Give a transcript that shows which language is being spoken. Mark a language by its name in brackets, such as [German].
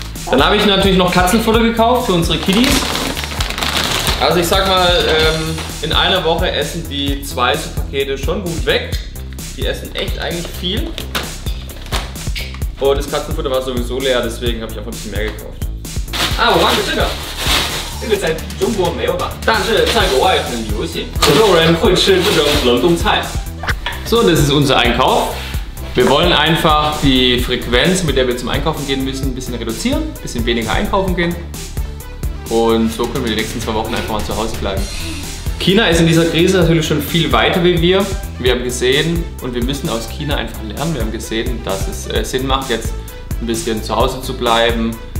[German] Dann habe ich natürlich noch Katzenfutter gekauft für unsere Kiddies. Also ich sag mal, in einer Woche essen die 2 Pakete schon gut weg. Die essen echt eigentlich viel. Und das Katzenfutter war sowieso leer, deswegen habe ich einfach ein bisschen mehr gekauft. Ah, wo waren die Sugar? [Chinese] 这个在中国没有吧，但是在国外很流行，很多人会吃这种冷冻菜。 [German] So, das ist unser Einkauf. Wir wollen einfach die Frequenz, mit der wir zum Einkaufen gehen müssen, ein bisschen reduzieren, ein bisschen weniger einkaufen gehen. Und so können wir die nächsten 2 Wochen einfach mal zu Hause bleiben. China ist in dieser Krise natürlich schon viel weiter wie wir. Wir haben gesehen und wir müssen aus China einfach lernen. Wir haben gesehen, dass es Sinn macht, jetzt ein bisschen zu Hause zu bleiben.